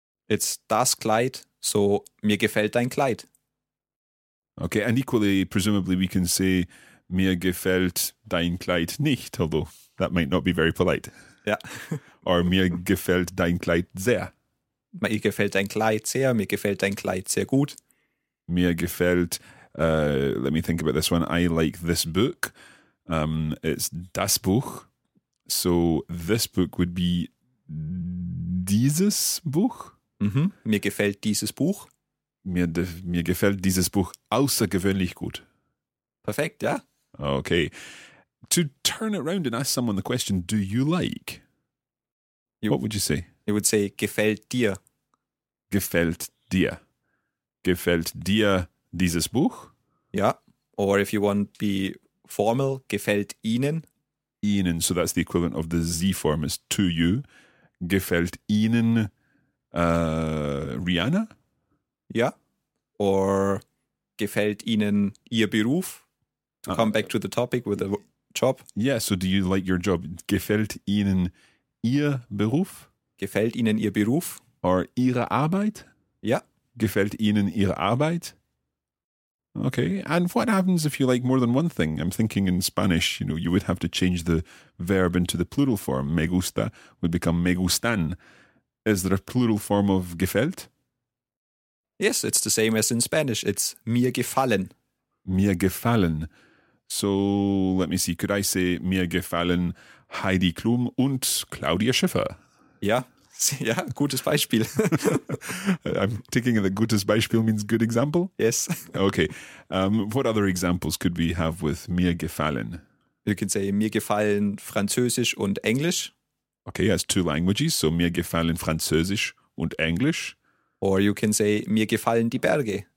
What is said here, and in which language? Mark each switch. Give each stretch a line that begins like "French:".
German: It's das Kleid, so mir gefällt dein Kleid.
English: Okay, and equally, presumably, we can say
German: mir gefällt dein Kleid nicht,
English: although that might not be very polite. Yeah.
German: Or mir gefällt dein Kleid sehr. Mir gefällt dein Kleid sehr, mir gefällt dein Kleid sehr gut.
English: Mir gefällt, let me think about this one, I like this book. It's das Buch. So this book would be dieses Buch? Mm-hmm.
German: Mir gefällt dieses Buch. Mir gefällt dieses Buch außergewöhnlich gut. Perfekt, ja.
English: Okay. To turn it around and ask someone the question, do you like? What would you say? You would say, gefällt dir.
German: Gefällt dir. Gefällt dir dieses Buch? Ja.
English: Or if you want to be formal, gefällt Ihnen. Ihnen, so that's the equivalent of the Z form is to you.
German: Gefällt Ihnen Rihanna? Ja. Or gefällt Ihnen Ihr Beruf?
English: To come back to the topic with the job. Yeah, so do you like your job?
German: Gefällt Ihnen Ihr Beruf? Gefällt Ihnen Ihr Beruf? Or Ihre Arbeit? Ja. Gefällt Ihnen Ihre Arbeit?
English: Okay, and what happens if you like more than one thing? I'm thinking in Spanish, you know, you would have to change the verb into the plural form.
Spanish: Me gusta would become me gustan.
English: Is there a plural form of gefällt? Yes, it's the same as in Spanish. It's mir gefallen. Mir gefallen. So, let me see. Could I say
German: mir gefallen Heidi Klum und Claudia Schiffer? Ja, ja, gutes Beispiel.
English: I'm thinking that gutes Beispiel means good example? Yes. Okay. What other examples could we have with mir gefallen? You can say
German: mir gefallen Französisch und Englisch.
English: Okay, as two languages.
German: So, mir gefallen Französisch und Englisch.
English: Or you can say
German: mir gefallen die Berge.